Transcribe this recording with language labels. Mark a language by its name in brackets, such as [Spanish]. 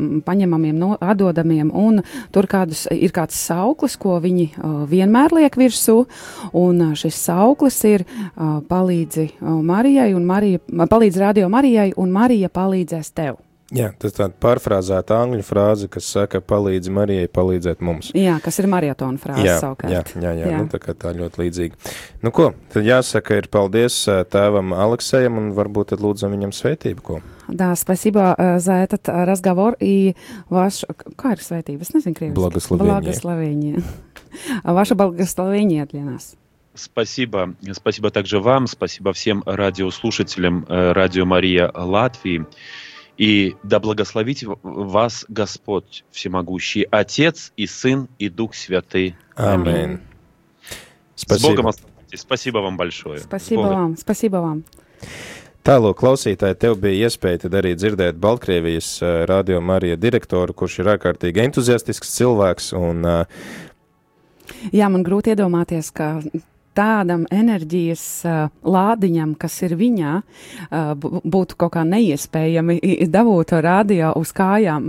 [Latvian] paņemamiem, atdodamiem, un tur ir kāds sauklis, ko viņi vienmēr liek virsū, un šis sauklis ir palīdzi Marijai, un Marija, palīdzi Radio Marijai, un Marija palīdzēs tev. Jā, tas tāda pārfrāzēta angļu frāze, kas saka, palīdzi Marijai palīdzēt mums. Jā, kas ir marietona frāze savukārt. Jā. Nu, tā kā tā ļoti līdzīga. Nu ko, tad jāsaka ir paldies tēvam Aleksejam un varbūt tad lūdzam viņam svētību, ko? [Russian] Да, спасибо за этот разговор и ваш кар святый, вы знаете, крепкий. Благословение. Ваше благословение для нас. Спасибо. Спасибо также вам, спасибо всем радиослушателям Радио Мария Латвии. И да благословит вас Господь Всемогущий, Отец и Сын и Дух Святый. Аминь. Спасибо. С Богом оставайтесь. Спасибо вам большое. Спасибо вам. Спасибо вам. [Latvian] Тālāk, klausītāji, tev bija iespēja tad arī dzirdēt Baltkrievijas Radio Marija direktoru, kurš ir ārkārtīgi entuziastisks cilvēks. Un, jā, man grūti iedomāties, ka tādam enerģijas lādiņam, kas ir viņā, būtu kaut kā neiespējami dabūt to radio uz kājām.